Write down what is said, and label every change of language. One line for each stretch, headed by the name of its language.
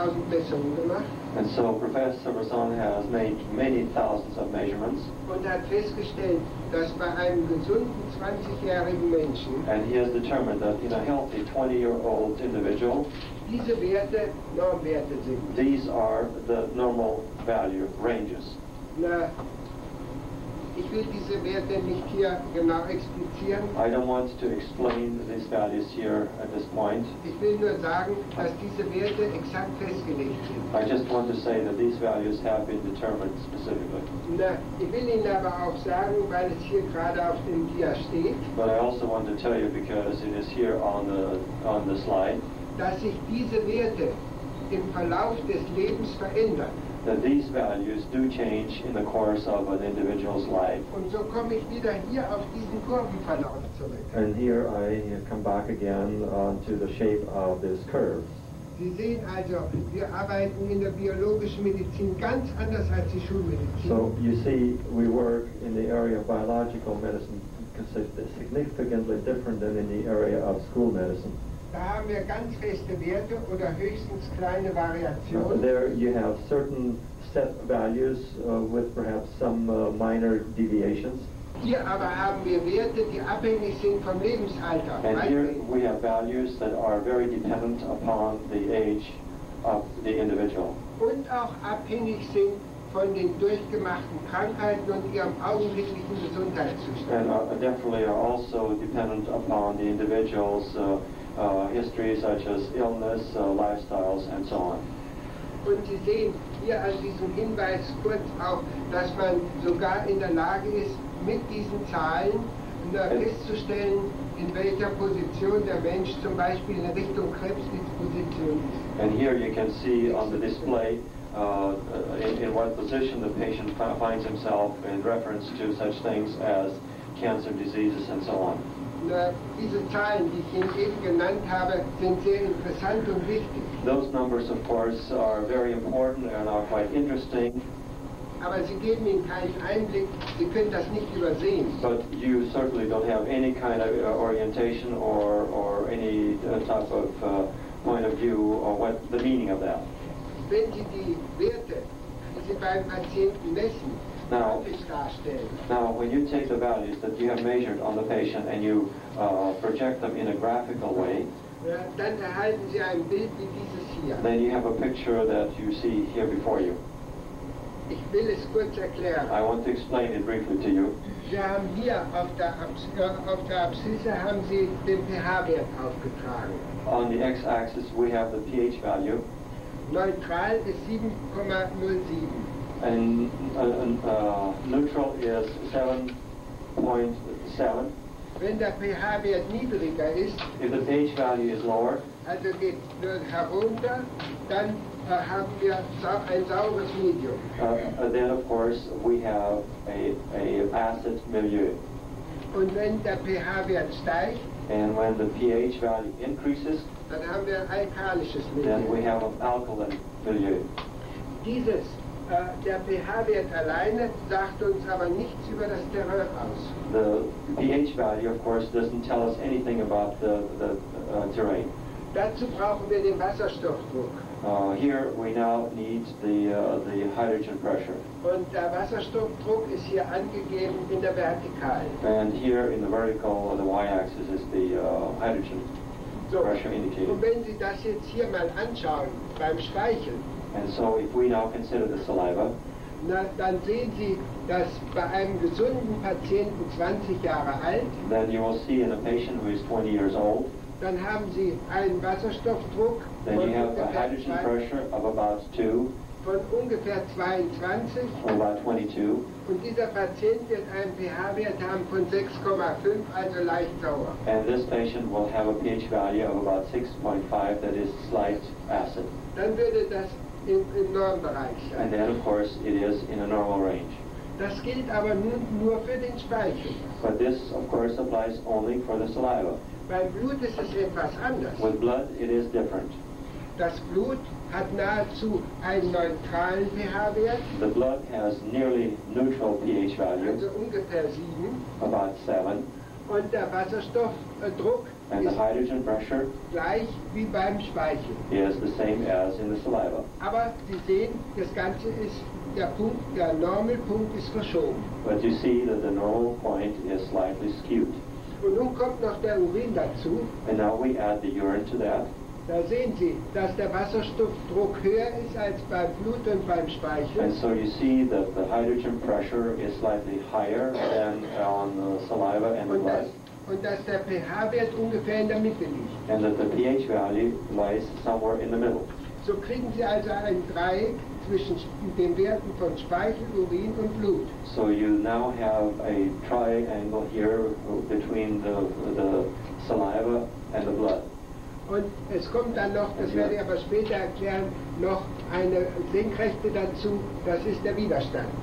English: And so Professor Brisson has made many thousands of measurements.
German: Und hat festgestellt, dass bei einem gesunden 20-jährigen Menschen,
English: and he has determined that in a healthy 20-year-old individual,
German: diese Werte Normwerte sind.
English: These are the normal value ranges.
German: Na, ich will diese Werte nicht hier genau explizieren.
English: I don't want to explain these values here at this point.
German: Ich will nur sagen, dass diese Werte exakt festgelegt sind.
English: I just want to say that these values have been determined specifically.
German: Na, ich will Ihnen aber auch sagen, weil es hier gerade auf dem Dia steht.
English: But I also want to tell you because it is here on the slide.
German: Dass sich diese Werte im Verlauf des Lebens verändern.
English: That these values do change in the course of an individual's life.
German: Und so komme ich wieder hier auf diesen Kurvenverlauf zurück.
English: And here I come back again to the shape of this curve.
German: Sie sehen also, wir arbeiten in der biologischen Medizin ganz anders als die Schulmedizin.
English: So you see, we work in the area of biological medicine significantly different than in the area of school medicine.
German: Da haben wir ganz feste Werte oder höchstens kleine Variationen.
English: There you have certain set values with perhaps some minor deviations.
German: Hier aber haben wir Werte, die abhängig sind vom Lebensalter.
English: And here we have values that are very dependent upon the age of the individual.
German: Und auch abhängig sind von den durchgemachten Krankheiten und ihrem augenblicklichen Gesundheitszustand.
English: And definitely are also dependent upon the individual's history such as illness, lifestyles, and so on.
German: Und Sie sehen hier an diesem Hinweis kurz auch, dass man sogar in der Lage ist, mit diesen Zahlen festzustellen, in welcher Position der Mensch zum Beispiel in Richtung Krebsdisposition ist.
English: And here you can see on the display in what position the patient finds himself in reference to such things as cancer diseases and so on.
German: Diese Zahlen, die ich Ihnen eben genannt habe, sind sehr interessant und wichtig.
English: Those numbers, of course, are very important and are quite interesting.
German: Aber sie geben Ihnen keinen Einblick, Sie können das nicht übersehen.
English: But you certainly don't have any kind of orientation or any type of point of view or what the meaning of that.
German: Wenn Sie die Werte, die Sie beim Patienten messen,
English: Now, when you take the values that you have measured on the patient and you project them in a graphical way,
German: dann erhalten Sie ein Bild wie dieses hier.
English: Then you have a picture that you see here before you.
German: Ich will es kurz erklären.
English: I want to explain it briefly to you.
German: Sie haben hier auf der Abszisse haben Sie den pH-Wert aufgetragen.
English: On the x-axis, we have the pH value.
German: Neutral ist 7,07.
English: And neutral is 7.7.
German: Wenn der pH-Wert niedriger ist,
English: if the pH value is lower,
German: also geht nur herunter, dann haben wir ein saures Medium.
English: Then of course we have a acid milieu.
German: Und wenn der pH-Wert steigt,
English: and when the pH value increases,
German: dann haben wir ein alkalisches Medium.
English: Then we have an alkaline milieu.
German: Dieses der pH-Wert alleine sagt uns aber nichts über das Terrain aus.
English: The pH value, of course, doesn't tell us anything about the terrain.
German: Dazu brauchen wir den Wasserstoffdruck.
English: Here we now need the hydrogen pressure.
German: Und der Wasserstoffdruck ist hier angegeben in der Vertikal.
English: And here in the vertical, on the y-axis, is the hydrogen so, pressure indicator.
German: Und wenn Sie das jetzt hier mal anschauen, beim Speicheln,
English: and so if we now consider the saliva,
German: na, dann sehen Sie, dass bei einem gesunden Patienten 20 Jahre alt,
English: then you will see in a patient who is 20 years old,
German: dann haben Sie einen Wasserstoffdruck,
English: then you have a hydrogen pressure of about 2,
German: von ungefähr 22,
English: or about 22,
German: und dieser Patient wird einen pH-Wert haben von 6,5, also leicht sauer.
English: And this patient will have a pH value of about 6.5, that is slight acid.
German: Dann würde das im Normbereich sein.
English: And then, of course, it is in a normal range.
German: Das gilt aber nur für den Speichel.
English: But this, of course, applies only for the saliva.
German: Beim Blut ist es etwas anders.
English: With blood, it is different.
German: Das Blut hat nahezu einen neutralen pH-Wert.
English: The blood has nearly neutral pH value.
German: Also ungefähr 7.
English: About 7.
German: Und der Wasserstoffdruck
English: And the hydrogen pressure
German: gleich wie beim Speichel.
English: Is the same as in the saliva.
German: Aber Sie sehen, das Ganze ist der Punkt, der Normalpunkt ist verschoben.
English: But you see that the normal point is slightly skewed.
German: Und nun kommt noch der Urin dazu.
English: And now we add the urine to that.
German: Da sehen Sie, dass der Wasserstoffdruck höher ist als beim Blut und beim Speichel.
English: And so you see that the hydrogen pressure is slightly higher than on the saliva and the blood.
German: Und dass der pH-Wert ungefähr in der Mitte liegt.
English: And that the pH value lies somewhere in the middle.
German: So kriegen Sie also ein Dreieck zwischen den Werten von Speichel, Urin und Blut.
English: So you now have a triangle here between the saliva and the blood.
German: Und es kommt dann noch, das werde ich aber später erklären, noch eine Senkrechte dazu, das ist der Widerstand.